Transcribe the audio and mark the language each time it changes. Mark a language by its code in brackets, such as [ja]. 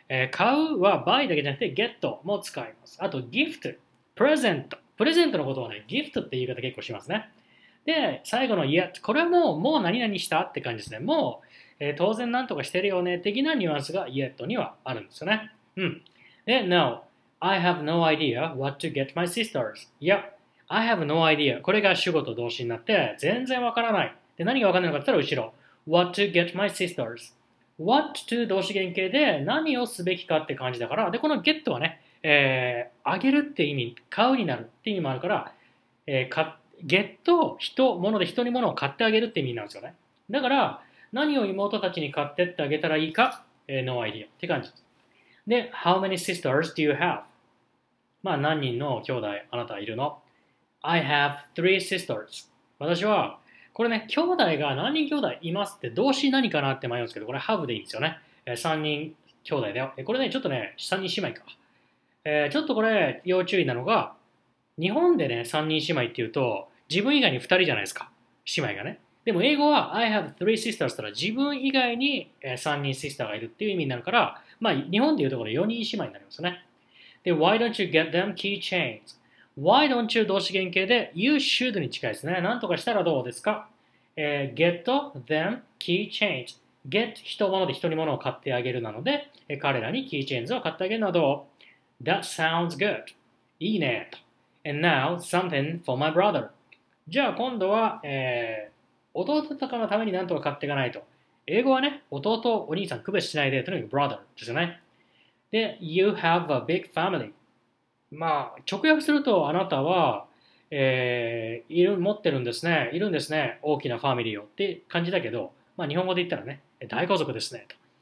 [ja] 買うは buy だけじゃなくて get も使います。あと gift、プレゼント。プレゼントのことはね、gift って言い方結構しますね。で、最後の yet、これはもう何々したって感じですね。もう当然何とかしてるよね的なニュアンスが yet にはあるんですよね。うん。 [en] で、no, I have no idea what to get my sisters. いや、I have no idea. [ja] これが主語と動詞になって、全然わからない。で、何がわからないのかって言ったら後ろ。 [en] what to get my sisters. [ja] what to 動詞原形で何をすべきかって感じだから、で、この get はね、あげるって意味、買うになるって意味もあるから、get を人、物で人に物を買ってあげるって意味なんですよね。だから、何を妹たちに買ってってあげたらいいか、 [en] No idea [ja] って感じです。 [en] で、How many sisters do you have? [ja] まあ、何人の兄弟あなたいるの ? [en] I have three sisters. [ja] 私は、これね、兄弟が何人兄弟いますって動詞何かなって迷うんですけど、これ have でいいんですよね。 3人兄弟だよ。これね、ちょっとね、3人姉妹か。ちょっとこれ、要注意なのが、日本でね、3人姉妹っていうと、自分以外に2人じゃないですか。姉妹がね。でも英語は [en] I have three sisters [ja] したら自分以外に3人シスターがいるっていう意味になるから、まあ日本でいうところで4人姉妹になりますよね。 [en] で、Why don't you get them keychains?Why don't you [ja] 動詞原形で [en] You should [ja] に近いですね。なんとかしたらどうですか、? [en] Get them keychains. [ja] Get 人物で人に物を買ってあげるなので、彼らに keychains を買ってあげるなど。 [en] That sounds good. [ja] いいね。 [en] And now something for my brother. [ja] じゃあ今度は、弟とかのために何とか買っていかないと。英語はね、弟、お兄さん区別しないで、とにかく brother ですよね。 [en] で、you have a big family。 [ja] まあ、直訳すると、あなたは、持ってるんですね、いるんですね、大きなファミリーをって感じだけど、まあ、日本語で言ったらね、大家族ですね、と。